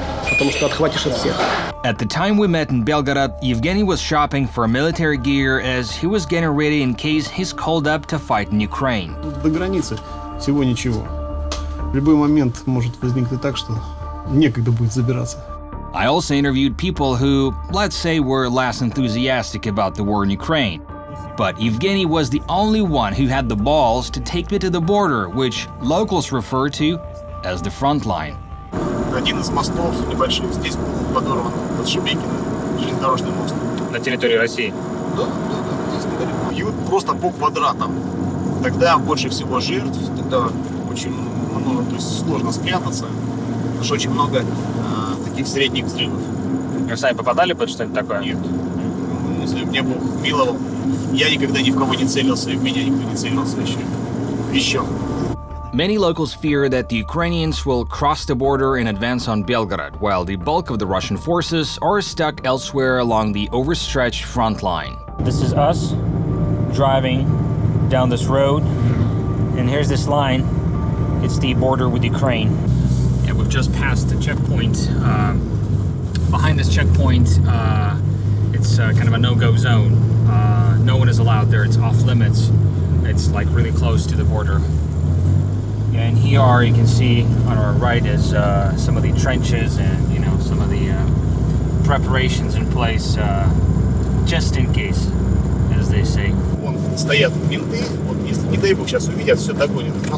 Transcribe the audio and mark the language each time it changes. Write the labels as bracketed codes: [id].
[ru] Потому что отхватишь от всех. [en] At the time we met in Belgorod, Yevgeny was shopping for military gear as he was getting ready in case he's called up to fight in Ukraine. [ru] До границы всего ничего. В любой момент может возникнуть так, что некогда будет забираться. [en] I also interviewed people who, let's say, were less enthusiastic about the war in Ukraine. But Yevgeny was the only one who had the balls to take me to the border, which locals refer to as the front line. [ru] Один из мостов небольших здесь был подорван под Шебекино, железнодорожный мост. На территории России? Да, здесь недалеко. Бьют просто по квадратам. Тогда больше всего жертв, тогда очень много, то есть сложно спрятаться. Потому что очень много таких средних взрывов. Вы сами попадали под что-нибудь такое? Нет. Если бы мне Бог миловал, я никогда ни в кого не целился, и в меня никто не целился еще. Еще. [en] Many locals fear that the Ukrainians will cross the border and advance on Belgorod, while the bulk of the Russian forces are stuck elsewhere along the overstretched front line. This is us driving down this road, and here's this line. It's the border with Ukraine. Yeah, we've just passed the checkpoint. Behind this checkpoint, it's kind of a no-go zone. No one is allowed there. It's off limits. It's like really close to the border. And here you can see on our right is some of the trenches and, you know, some of the preparations in place, just in case, as they say. [ru] Вон стоят менты, вот если не дай бог сейчас увидят, все догонят.